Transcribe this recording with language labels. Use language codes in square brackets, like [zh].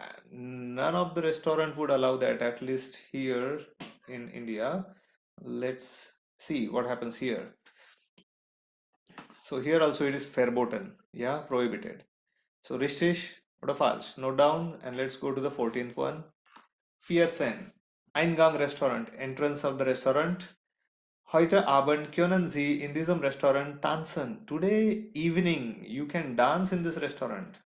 [en] None of the restaurant would allow that, at least here in India. Let's see what happens here. So here also it is verboten, yeah, prohibited. [de] So richtig oder falsch? [en] Note down and let's go to the 14th one. Fiat Sen, Eingang Restaurant, entrance of the restaurant. [de] Heute Abend können Sie in diesem Restaurant tanzen. [en] Today evening you can dance in this restaurant.